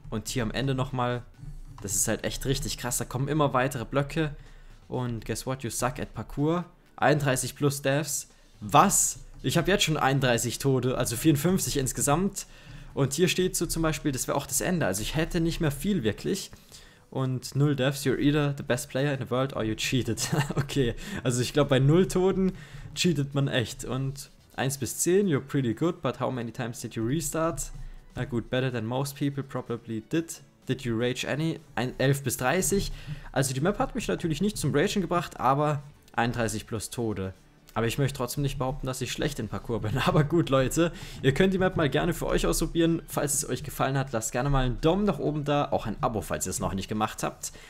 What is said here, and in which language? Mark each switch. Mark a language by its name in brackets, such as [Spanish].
[German] Und hier am Ende nochmal. Das ist halt echt richtig krass. Da kommen immer weitere Blöcke. Und [English] guess what? You suck at Parkour. 31 plus Deaths. [German] Was? Ich habe jetzt schon 31 Tode, also 54 insgesamt. Und hier steht so zum Beispiel, das wäre auch das Ende. Also ich hätte nicht mehr viel wirklich. Und [English] 0 Deaths, you're either the best player in the world or you cheated. [German] Okay, also ich glaube bei 0 Toten cheatet man echt. Und 1 bis 10, [English] you're pretty good, but how many times did you restart? [German] Na gut, [English] better than most people probably did. Did you rage any? [German] 11 bis 30. Also die Map hat mich natürlich nicht zum Ragen gebracht, aber 31 plus Tode. Aber ich möchte trotzdem nicht behaupten, dass ich schlecht in Parkour bin. Aber gut, Leute, ihr könnt die Map mal gerne für euch ausprobieren. Falls es euch gefallen hat, lasst gerne mal einen Daumen nach oben da. Auch ein Abo, falls ihr es noch nicht gemacht habt.